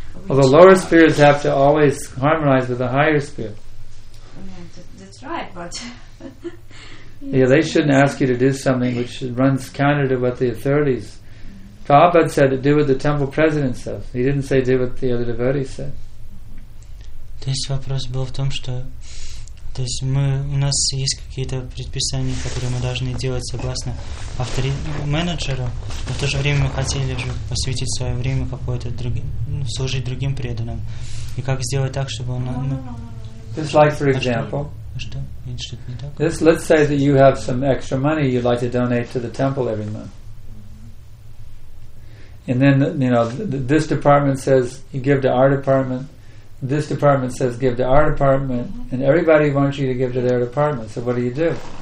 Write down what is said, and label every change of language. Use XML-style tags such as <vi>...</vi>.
<en>Well, the lower spirits have to always harmonize with the higher spirit. That's right, but yeah, they shouldn't ask you to do something which runs counter to what the authorities. Prabhupada said to do what the temple president says. He didn't say do what the other devotees said.</en> <ru>То есть вопрос был в том, что, то есть мы у нас есть какие-то предписания, которые мы должны делать согласно менеджеру, но в то же время мы хотели же посвятить свое время какое-то служить другим преданным. И как сделать так, чтобы он...</ru> <en>Just like, for example,</en> <ru>что-то не так.</ru> <en>Let's say that you have some extra money you'd like to donate to the temple every month. And then, you know, this department says you give to our department. This department says give to our department, and everybody wants you to give to their department. So what do you do?</en>